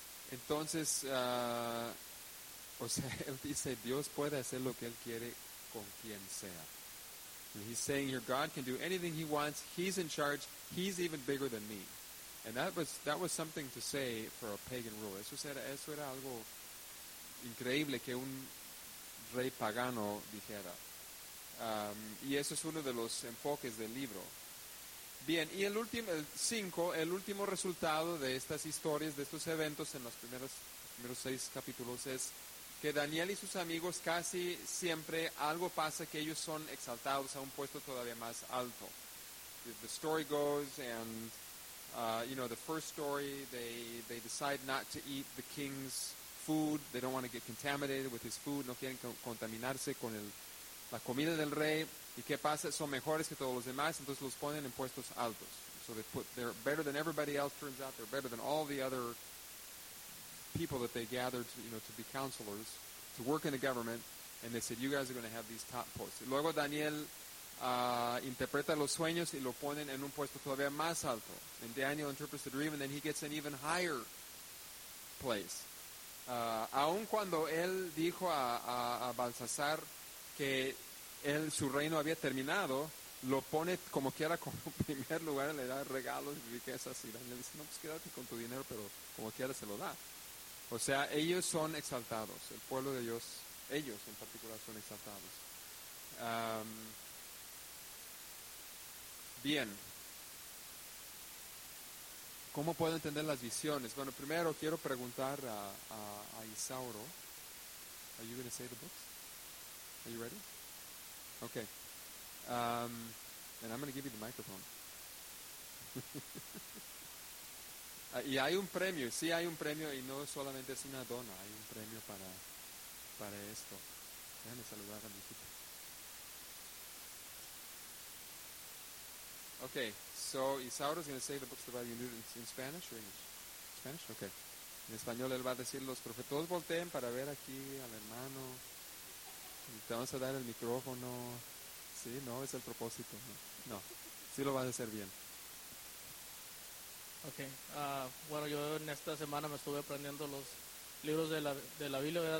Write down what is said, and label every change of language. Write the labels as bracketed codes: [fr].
[es] Entonces, o sea, él dice, Dios puede hacer lo que él quiere con quien sea. [en] And he's saying here, God can do anything he wants. He's in charge. He's even bigger than me. And that was something to say for a pagan ruler. [es] Eso era algo increíble que un rey pagano dijera. Y eso es uno de los enfoques del libro. Bien, y el último, el 5, el último resultado de estas historias, de estos eventos en los primeros 6 capítulos es que Daniel y sus amigos casi siempre algo pasa que ellos son exaltados a un puesto todavía más alto. [en] The story goes and, you know, the first story, they decide not to eat the king's food. They don't want to get contaminated with his food. [es] No quieren contaminarse con la comida del rey. ¿Y qué pasa? Son mejores que todos los demás, entonces los ponen en puestos altos. [en] So they're better than everybody else, turns out. They're better than all the other people that they gathered to, you know, to be counselors, to work in the government, and they said, you guys are going to have these top posts. [es] Y luego Daniel interpreta los sueños y lo ponen en un puesto todavía más alto. [en] And Daniel interprets the dream, and then he gets an even higher place. [es] Aun cuando él dijo a Baltasar que él, su reino había terminado, lo pone como quiera como primer lugar, le da regalos y riquezas, y Daniel dice, no, pues quédate con tu dinero, pero como quiera se lo da. O sea, ellos son exaltados, el pueblo de Dios, ellos en particular son exaltados. Bien. ¿Cómo puedo entender las visiones? Bueno, primero quiero preguntar a Isauro. [en] Are you going to say the books? Are you ready? Okay. And I'm going to give you the microphone. [es] Y hay un premio, sí hay un premio, y no solamente es una dona, hay un premio para esto. Déjame saludar a mi hijita. [en] Okay, so Isauro is going to say the books of the Bible in Spanish or English? Spanish? Okay. [es] En español él va a decir los profetas. Volteen para ver aquí al hermano. Te vamos a dar el micrófono. Sí, no, es el propósito. No, sí lo vas a hacer bien. [en] Okay. [es] Bueno, yo en esta semana me estuve aprendiendo los libros de la Biblia, ¿verdad?